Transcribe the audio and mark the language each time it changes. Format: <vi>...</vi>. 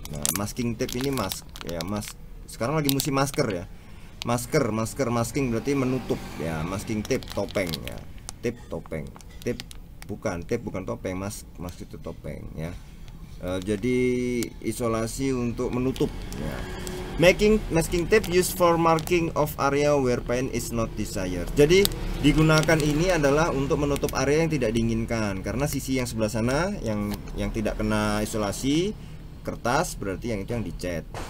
<id>Nah, masking tape ini sekarang lagi musim masker ya. Masker masking berarti menutup ya, masking tape topeng ya. Mask itu topeng ya. Jadi isolasi untuk menutup ya.</id> <en>Masking tape used for marking of area where paint is not desired.</en> <id>Jadi digunakan ini adalah untuk menutup area yang tidak diinginkan, karena sisi yang sebelah sana yang tidak kena isolasi kertas, berarti yang itu yang dicat.</id>